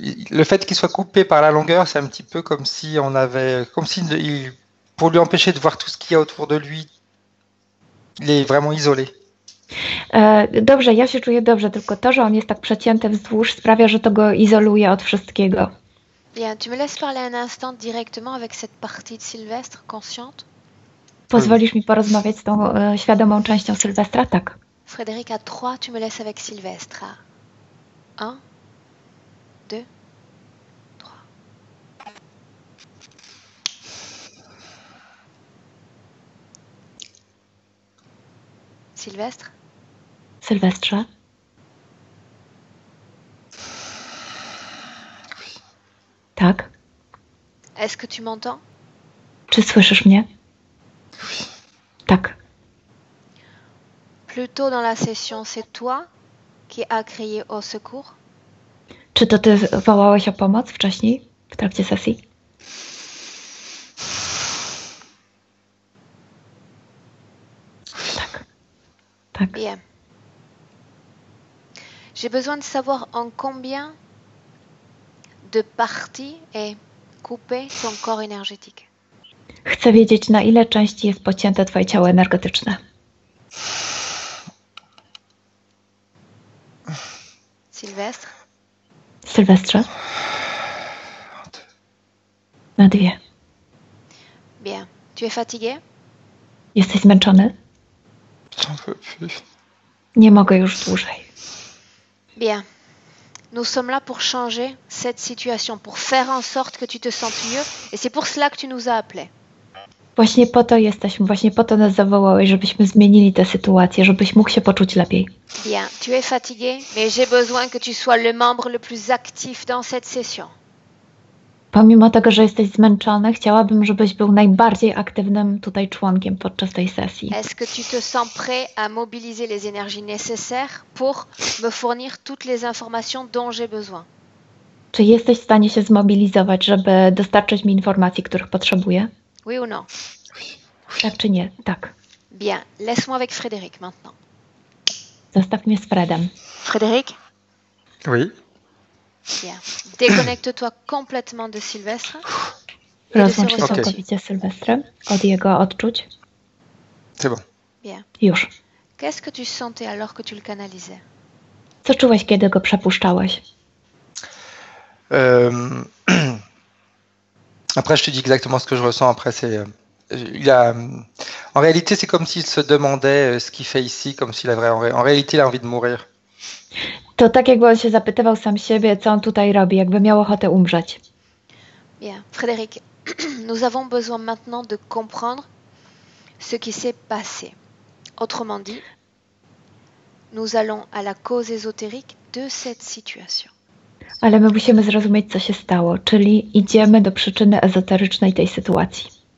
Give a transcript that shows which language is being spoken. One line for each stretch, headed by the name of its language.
French: le fait qu'il soit coupé par la longueur, c'est un petit peu comme si on avait... Comme si il, pour lui empêcher de voir tout ce qu'il y a autour de lui, il est vraiment isolé.
Polish: Dobrze, ja się czuję dobrze, tylko to, że on jest tak przecięty wzdłuż, sprawia, że to go izoluje od wszystkiego.
French: Bien, tu me laisses parler un instant directement avec cette partie de Sylvestre consciente?
Polish: Pozwolisz mi porozmawiać z tą świadomą częścią Sylwestra, tak.
French: Frédéric, à trois, tu me laisses avec Sylvestre. Un, deux, Sylvestre? Sylvestre.
Polish: Tak.
French: Est-ce que tu m'entends?
Polish: Czy słyszysz mnie? Tak.
French: Plus tôt dans la session, c'est toi qui as crié au secours?
Polish: Czy to ty wołałeś o pomoc wcześniej, w trakcie sesji? Tak. Tak.
French: Bien. J'ai besoin de savoir en combien de parties est coupé ton corps énergétique.
Polish: Chcę wiedzieć, na ile części jest pocięte twoje ciało energetyczne. Sylwestre? Sylwestre? Na dwie.
French: Bien. Tu es fatigué?
Polish: Jesteś zmęczony? Nie mogę już dłużej.
French: Bien. Nous sommes là pour changer cette situation, pour faire en sorte que tu te sentes mieux. Et c'est pour cela que tu nous as appelés.
Polish: Właśnie po to jesteśmy, właśnie po to nas zawołałeś, żebyśmy zmienili tę sytuację, żebyś mógł się poczuć lepiej.
French: Bien, tu es fatigué, mais j'ai besoin que tu sois le membre le plus actif dans cette session.
Polish: Pomimo tego, że jesteś zmęczony, chciałabym, żebyś był najbardziej aktywnym tutaj członkiem podczas tej sesji.
French: Est-ce que tu te sens prêt à mobiliser les énergies nécessaires pour me fournir toutes les informations dont j'ai besoin?
Polish: Czy jesteś w stanie się zmobilizować, żeby dostarczyć mi informacji, których potrzebuję?
French: Oui ou non?
Polish: Tak czy nie? Tak.
French: Bien, laisse-moi avec Frédéric maintenant.
Polish: Zostaw mnie z Fredem.
French: Frédéric? Oui. Bien. Déconnecte-toi complètement de Sylvestre.
Polish: Rozłącz się całkowicie z Sylwestrem, od jego odczuć.
French: C'est bon. Bien.
Polish: Już.
French: Qu'est-ce que tu sentais alors que tu le canalisais?
Polish: Co czułeś, kiedy go przepuszczałeś?
French: Après, je te dis exactement ce que je ressens. Après, c'est, il a, en réalité, c'est comme s'il se demandait ce qu'il fait ici, comme s'il avait, en réalité, il a envie de mourir.
Polish: To tak jakby on się zapytywał sam siebie, co on tutaj robi, jakby miał ochotę umrzeć.
French: Bien, Frédéric, nous avons besoin maintenant de comprendre ce qui s'est passé. Autrement dit, nous allons à la cause ésotérique de cette situation.
Polish: Ale my musimy zrozumieć, co się stało, czyli idziemy do przyczyny ezoterycznej tej sytuacji.